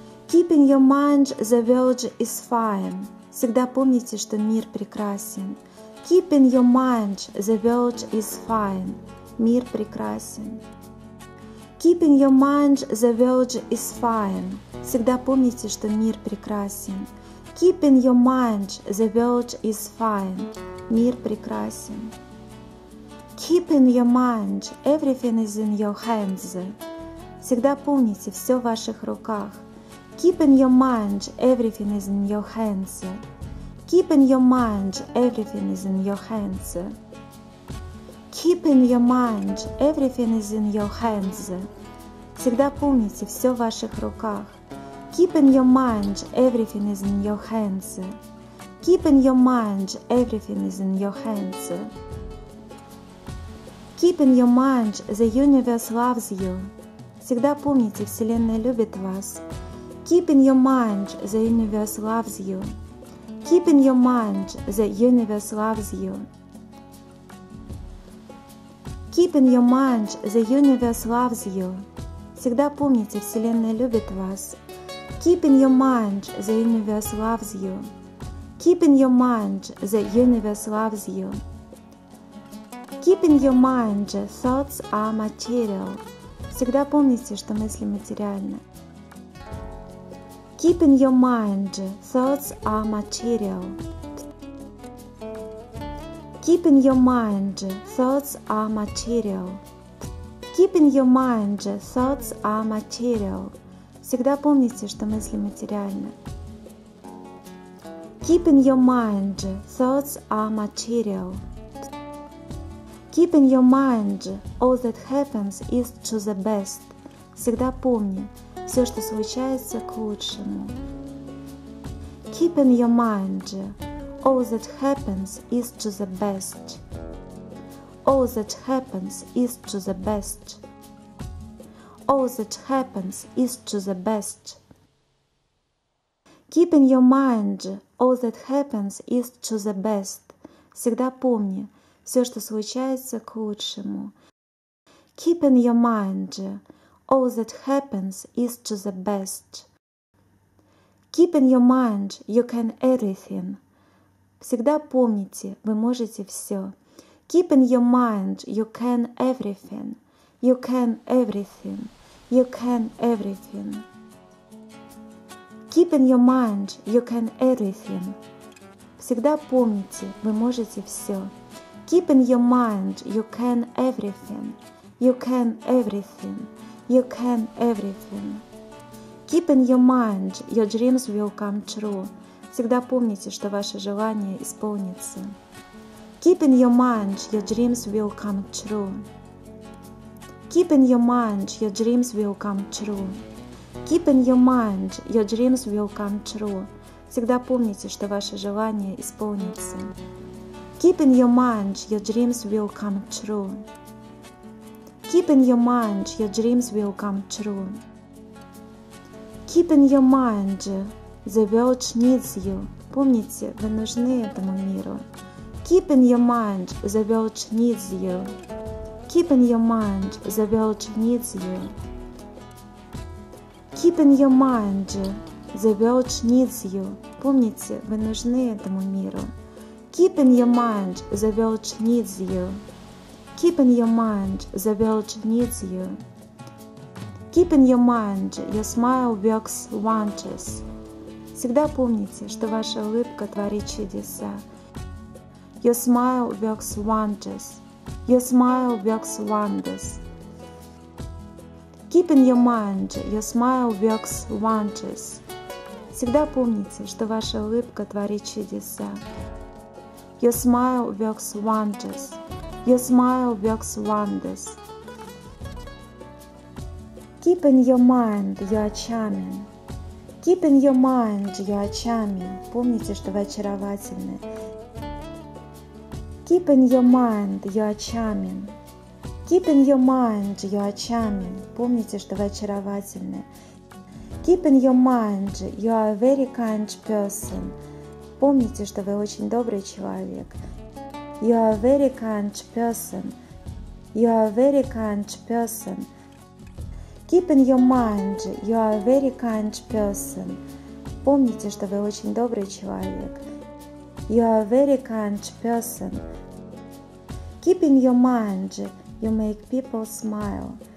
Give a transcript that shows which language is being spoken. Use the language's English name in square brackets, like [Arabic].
[English] Keep in your mind the world is fine. [Russian] Всегда помните, что мир прекрасен. [English] Keep in your mind the world is fine. [Russian] Мир прекрасен. [English] Keep in your mind the world is fine. [Russian] Всегда помните, что мир прекрасен. [English] Keep in your mind the world is fine. [Russian] Мир прекрасен. [English] Keep in your mind everything is in your hands. [Russian] Всегда помните, все в ваших руках. [English] Keep in your mind everything is in your hands. Keep in your mind everything is in your hands. Keep in your mind everything is in your hands. [Russian] Всегда помните, все в ваших руках. [English] Keep in your mind everything is in your hands. Keep in your mind everything is in your hands. Keep in your mind the universe loves you. [Russian] Всегда помните, Вселенная любит вас. [English] Keep in your mind the universe loves you. Keep in your mind the universe loves you. Keep in your mind the universe loves you. [Russian] Всегда помните, Вселенная любит вас. [English] Keep in your mind the universe loves you. Keep in your mind the universe loves you. Keep in your mind thoughts are material. [Russian] Всегда помните, что мысли материальны. [English] Keep in your mind thoughts are material. Keep in your mind thoughts are material. Keep in your mind thoughts are material. [Russian] Всегда помните, что мысли материальны. [English] Keep in your mind thoughts are material. Keep in your mind all that happens is to the best. [Russian] Всегда помни, все, что случается, к лучшему. [English] Keep in your mind all that happens is to the best. All that happens is to the best. All that happens is to the best. Keep in your mind all that happens is to the best. [Russian] Всегда помни, все, что случается, к лучшему. [English] Keep in your mind all that happens is to the best. Keep in your mind you can everything. [Russian] Всегда помните, вы можете все. [English] Keep in your mind you can everything. You can everything. You can everything. Keep in your mind you can everything. [Russian] Всегда помните, вы можете все. [English] Keep in your mind you can everything. You can everything. You can everything. Keep in your mind your dreams will come true. [Russian] Всегда помните, что ваше желание исполнится. [English] Keep in your mind your dreams will come true. Keep in your mind your dreams will come true. Keep in your mind your dreams will come true. [Russian] Всегда помните, что ваше желание исполнится. [English] Keep in your mind your dreams will come true. Keep in your mind your dreams will come true. Keep in your mind the world needs you. [Russian] Помните, вы нужны этому миру. [English] Keep in your mind the world needs you. Keep in your mind the world needs you. Keep in your mind the world needs you. [Russian] Помните, вы нужны этому миру. [English] Keep in your mind the world needs you. Keep in your mind the world needs you. Keep in your mind your smile works wonders. [Russian] Всегда помните, что ваша улыбка творит чудеса. [English] Your smile works wonders. Your smile works wonders. Keep in your mind your smile works wonders. [Russian] Всегда помните, что ваша улыбка творит чудеса. [English] Your smile works wonders. Your smile works wonders. Keep in your mind you are charming. Keep in your mind you are charming. [Russian] Помните, что вы очаровательны. [English] Keep in your mind you are charming. Keep in your mind you are charming. [Russian] Помните, что вы очаровательны. [English] Keep in your mind you are a very kind person. [Russian] Помните, что вы очень добрый человек. [English] You are a very kind person. You are a very kind person. Keep in your mind you are a very kind person. [Russian] Помните, что вы очень добрый человек. [English] You are a very kind person. Keep in your mind you make people smile.